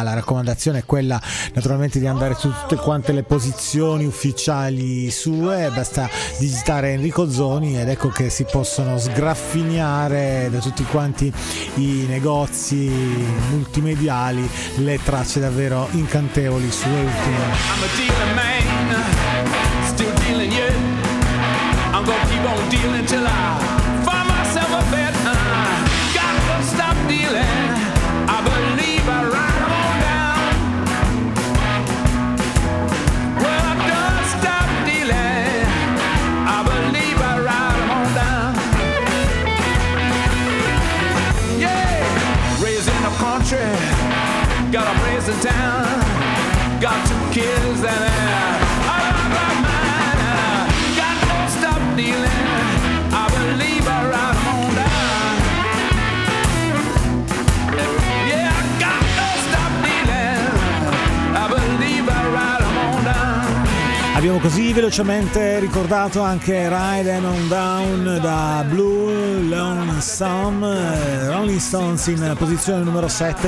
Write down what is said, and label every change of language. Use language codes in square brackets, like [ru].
[it] La raccomandazione è quella naturalmente di andare su tutte quante le posizioni ufficiali sue, basta digitare Enrico Zoni ed ecco che si possono sgraffignare da tutti quanti i negozi multimediali le tracce davvero incantevoli sue ultime. [en] I'm a dealer man, still dealing, yeah. I'm gonna keep on dealing till I find myself a bed. Gotta stop dealing, I believe I ride on down. Well, I don't stop dealing, I believe I ride on down. Yeah, raised in the country, got a place in town. Got two kids and I love my mind. Got no stop dealing, I believe I ride on down. Yeah, I got no stop dealing, I believe I ride on down. [it] Abbiamo così velocemente ricordato anche Riding on Down da Blue Lonesome, Rolling Stones in posizione numero 7.